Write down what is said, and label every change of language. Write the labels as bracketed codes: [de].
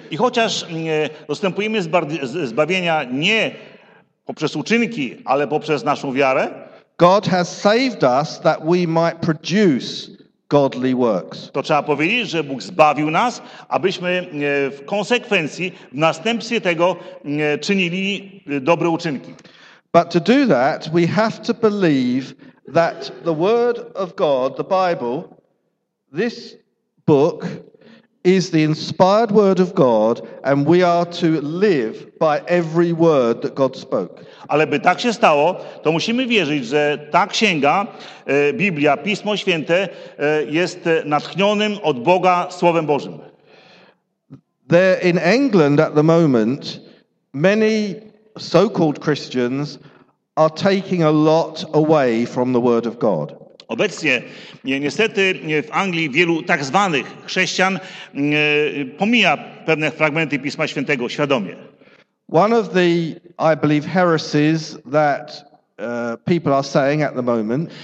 [pl] I chociaż dostępujemy zbawienia nie poprzez uczynki, ale poprzez naszą wiarę. [en] God has saved us that we might produce godly works. [pl] To trzeba powiedzieć, że Bóg zbawił nas, abyśmy w konsekwencji, w następstwie tego czynili dobre uczynki. [en] But to do that, we have to believe that the word of God, the Bible, this book is the inspired word of God, and we are to live by every word that God spoke. [pl] Ale by tak się stało, to musimy wierzyć, że ta księga, Biblia, Pismo Święte, jest natchnionym od Boga Słowem Bożym. [en] There in England at the moment, many so-called Christians are taking a lot away from the word of God. [pl] Obecnie niestety w Anglii wielu tak zwanych chrześcijan pomija pewne fragmenty Pisma Świętego świadomie. [en] One of the, I believe, heresies that people are saying at the moment.